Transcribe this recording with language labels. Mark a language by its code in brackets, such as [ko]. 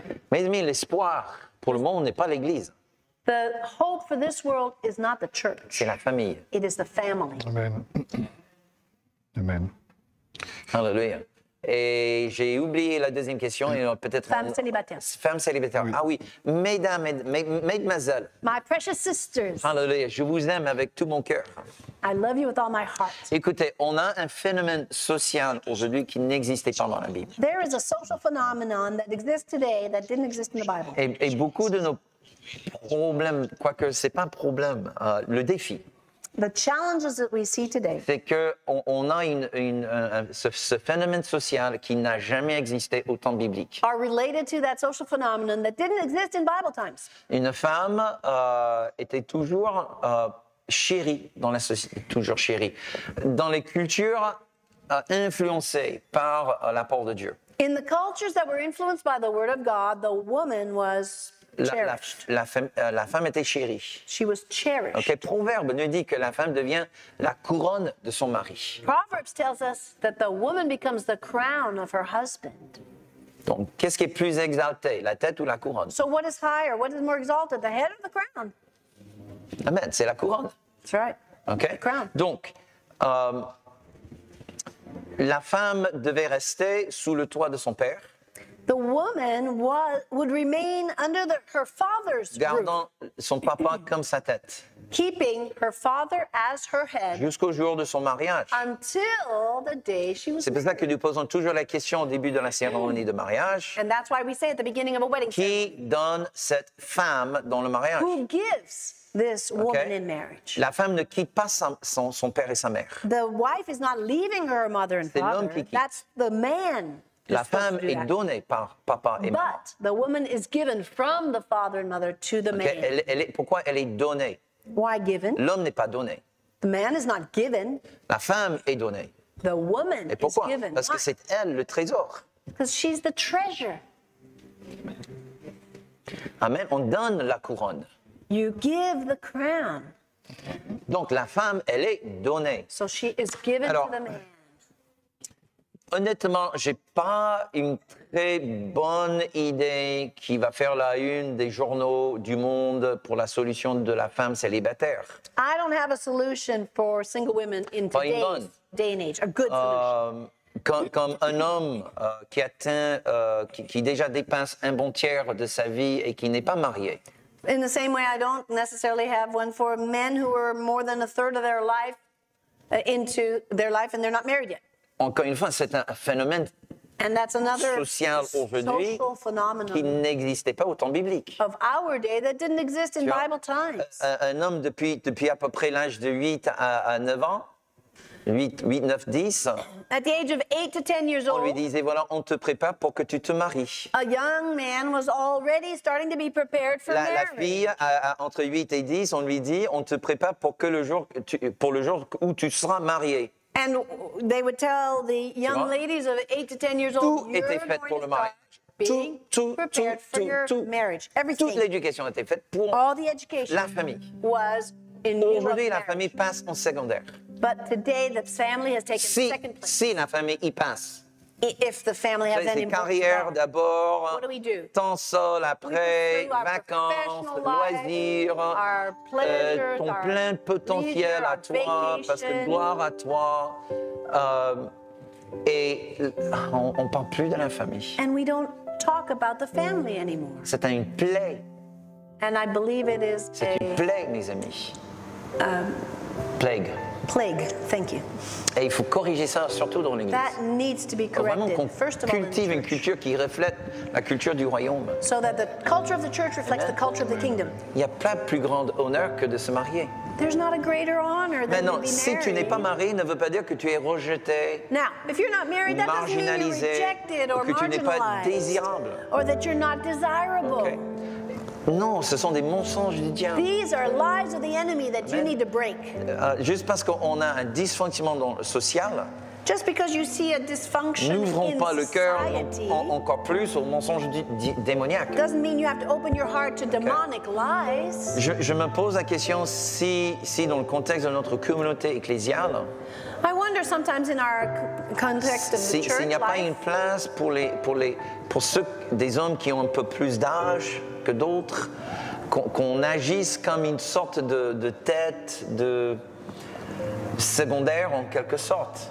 [fr] Mes amis, l'espoir pour le monde n'est pas l'Église. [en] The hope for this world is not the church. [fr] C'est la famille. [en] It is the family. Amen. Amen. Alléluia. [fr] Et j'ai oublié la deuxième question. Et peut-être femme célibataire. Femme célibataire. Oui. Ah oui, mesdames, [en] my precious sisters. [fr] Alléluia, je vous aime avec tout mon cœur. [en] I love you with all my heart. [fr] Écoutez, on a un phénomène social aujourd'hui qui n'existait pas dans la Bible. [en] There is a social phenomenon that exists today that didn't exist in the Bible. [fr] Et beaucoup de nos problèmes, quoique ce n'est pas un problème, le défi. [en] The challenges that we see today. [fr] C'est que on a ce phénomène social qui n'a jamais existé au temps biblique. [en] Are related to that social phenomenon that didn't exist in Bible times. [fr] Une femme était toujours chérie dans la société, toujours chérie dans les cultures influencées par l'apport de Dieu. [en] In the cultures that were influenced by the word of God, the woman was [fr] La femme était chérie. [en] She was cherished. [fr] Okay, Proverbe nous dit que la femme devient la couronne de son mari. [en] Proverbs tells us that the woman becomes the crown of her husband. [fr] Donc, qu'est-ce qui est plus exalté, la tête ou la couronne? [en] So what is higher? What is more exalted, the head or the crown? [fr] Amen, c'est la couronne. [en] That's right. Okay. The crown. [fr] Donc, la femme devait rester sous le toit de son père. [en] The woman would remain under her father's roof. [fr] Gardant son papa comme sa tête. [en] Keeping her father as her head. [fr] Jusqu'au jour de son mariage. [en] Until the day she was [fr] C'est pour ça que nous posons toujours la question au début de la cérémonie de mariage. [en] And that's why we say at the beginning of a wedding ceremony. [fr] Qui donne cette femme dans le mariage? [en] Who gives this woman in marriage? [fr] La femme ne quitte pas son père et sa mère. [en] The wife is not leaving her mother and [fr] C'est [en] father. [fr] L'homme qui quitte. [en] That's the man. [fr] La femme est donnée par papa et maman. [en] But the woman is given from the father and mother to the man. [fr] Pourquoi elle est donnée? [en] Why given? [fr] L'homme n'est pas donné. [en] The man is not given. [fr] La femme est donnée. [en] The woman [fr] et pourquoi? [en] Is given. [fr] Parce que c'est elle le trésor. [en] Because she's the treasure. [fr] Amen. On donne la couronne. [en] You give the crown. [fr] Donc la femme, elle est donnée. [en] So she is given [fr] Alors, [en] to the man. [fr] Honnêtement, j'ai pas une très bonne idée qui va faire la une des journaux du monde pour la solution de la femme célibataire. [en] I don't have a solution for single women in today's day and age. A good solution. [fr] Comme un homme qui déjà dépense un bon tiers de sa vie et qui n'est pas marié. [en] In the same way, I don't necessarily have one for men who are more than a third of their life into their life and they're not married yet. [fr] Encore une fois, c'est un phénomène [en] And that's another [fr] social aujourd'hui [en] social phenomenon [fr] qui n'existait pas au temps biblique. [en] Of our day that didn't exist in Bible times. [fr] Un homme depuis à peu près l'âge de 8 à 9 ans, 8, 9, 10, [en] At the age of 8 to 10 years old, [fr] on lui disait, voilà, on te prépare pour que tu te maries. [en] A young man was already starting to be prepared for marriage. [fr] La fille, entre 8 et 10, on lui dit, on te prépare pour le jour où tu seras marié. [en] And they would tell the young ladies of 8 to 10 years old, you're going to start being prepared for your marriage. Everything. [fr] Toute l'éducation était faite pour [en] All the education [fr] la famille. [en] Was in [fr] Aujourd'hui, la famille passe en secondaire. [en] But today, the family has taken [fr] si, [en] second place. [fr] Si la famille y passe. [en] If the family has [fr] c'est [en] any [fr] carrière d'abord, [en] what do we do? [fr] Temps seul après, vacances, loisirs, [en] our pleasures, [fr] ton [en] our [fr] plein potentiel [en] leisure, [fr] à toi, [en] vacation. [fr] Parce que gloire à toi. Et on ne parle plus de la famille. [en] And we don't talk about the family anymore. [fr] C'est une plaie. [en] And I believe it is [fr] c'est [en] a, [fr] une plaie, mes amis. Plague. [en] Plague, thank you. [fr] Et il faut corriger ça, surtout dans l'Église. [en] That needs to be corrected. [fr] Vraiment qu'on cultive une culture qui reflète la culture du royaume. [en] So that the culture of the church reflects Amen. The culture of the kingdom. [fr] Il n'y a pas plus grand honneur que de se marier. [en] There's not a greater honor than [fr] Maintenant, [en] to be [fr] si tu n'es pas marié, ne veut pas dire que tu es rejeté, [en] Now, if you're not married, that [fr] marginalisé, [en] doesn't mean you're rejected or [fr] ou que tu n'es pas désirable. [en] Or that you're not desirable. Okay. [fr] Non, ce sont des mensonges du diable. [en] These are lies of the enemy that Amen. You need to break. [fr] Juste parce qu'on a un dysfonctionnement dans le social, [en] Just because you see a dysfunction [fr] n'ouvrons pas [en] in [fr] le cœur encore plus aux mensonges démoniaques. [en] Doesn't mean you have to open your heart to demonic okay. lies. [fr] Je me pose la question si dans le contexte de notre communauté ecclésiale, [en] I wonder sometimes in our context of the church [fr] s'il n'y a [en] life, [fr] pas une place pour ceux des hommes qui ont un peu plus d'âge que d'autres, qu'on agisse comme une sorte de tête de secondaire en quelque sorte.